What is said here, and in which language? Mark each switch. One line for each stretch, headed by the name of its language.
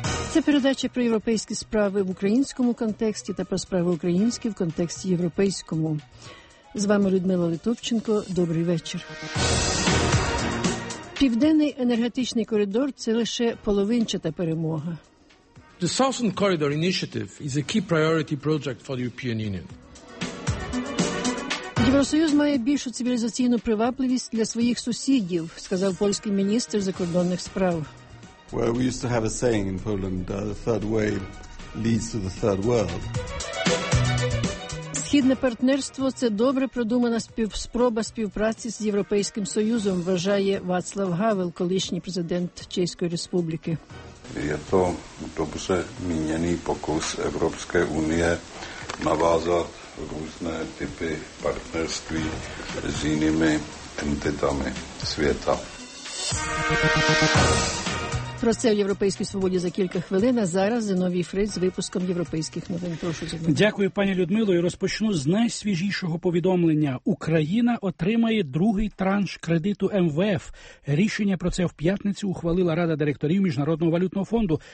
Ukrainian: Це передача про європейські справи в українському контексті та про справи українські в контексті європейському. З вами Людмила Литовченко. Добрий вечір. Південний енергетичний коридор – це лише половинчата перемога.
English: The Southern Corridor Initiative is a key priority project for the European Union.
Ukrainian: Євросоюз має більшу цивілізаційну привабливість для своїх сусідів, сказав польський міністр закордонних справ.
English: Well, we used to have a saying in Poland, the third way leads to the third world.
Ukrainian: Східне партнерство – це добре продумана спроба співпраці з Європейським Союзом, вважає Вацлав Гавел, колишній президент Чеської Республіки.
Czech: Je to dobře míněný pokus Evropské unie navázat různé typy partnerství s jinými entitami světa.
Ukrainian: Про це в Європейській свободі за кілька хвилин. А зараз Зиновій Фриц з випуском європейських новин. Прошу, Зиновій. Дякую, пані Людмило. І розпочну з найсвіжішого повідомлення. Україна отримає другий транш кредиту МВФ. Рішення про це в п'ятницю ухвалила Рада директорів Міжнародного валютного фонду.